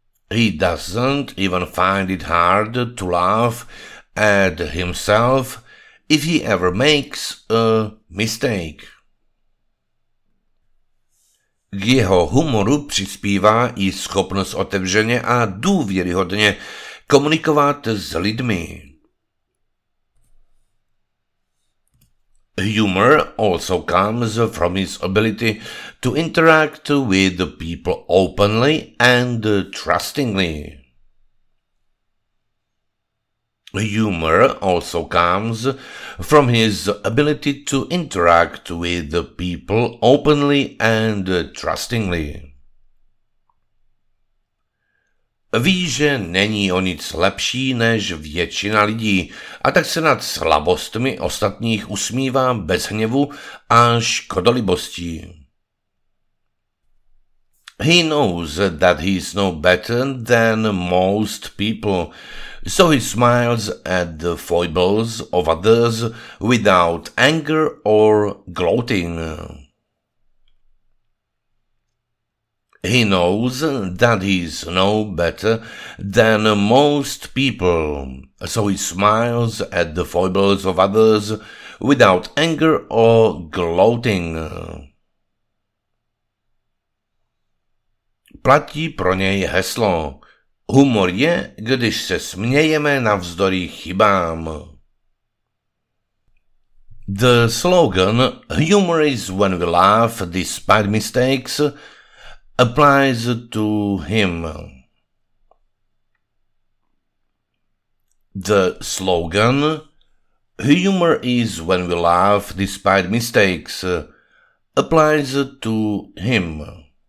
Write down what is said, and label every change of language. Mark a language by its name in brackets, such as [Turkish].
[English] He doesn't even find it hard to laugh at himself if he ever makes a mistake. [Czech] K jeho humoru přispívá i schopnost otevřeně a důvěryhodně komunikovat s lidmi. [English] Humor also comes from his ability to interact with people openly and trustingly. Humor also comes from his ability to interact with people openly and trustingly. [Czech] Ví, že není o nic lepší než většina lidí, a tak se nad slabostmi ostatních usmívá bez hněvu a škodolibostí. [English] He knows that he is no better than most people, so he smiles at the foibles of others without anger or gloating. He knows that he is no better than most people, so he smiles at the foibles of others without anger or gloating. [Czech] Platí pro něj heslo. Humor je, když se smějeme navzdory chybám. [English] The slogan, humor is when we laugh despite mistakes, applies to him. The slogan, humor is when we laugh despite mistakes, applies to him.